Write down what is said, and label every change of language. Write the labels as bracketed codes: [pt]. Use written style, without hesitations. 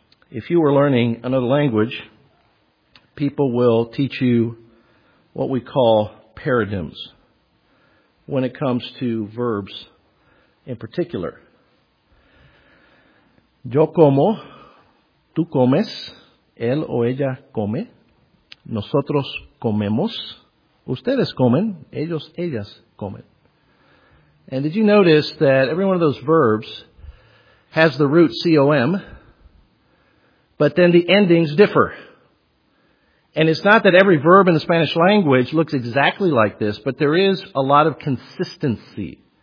[en] If you were learning another language, people will teach you what we call paradigms when it comes to verbs in particular. [es] Yo como, tú comes, él o ella come, nosotros comemos, ustedes comen, ellos, ellas comen. [en] And did you notice that every one of those verbs has the root C-O-M, but then the endings differ? And it's not that every verb in the Spanish language looks exactly like this, but there is a lot of consistency.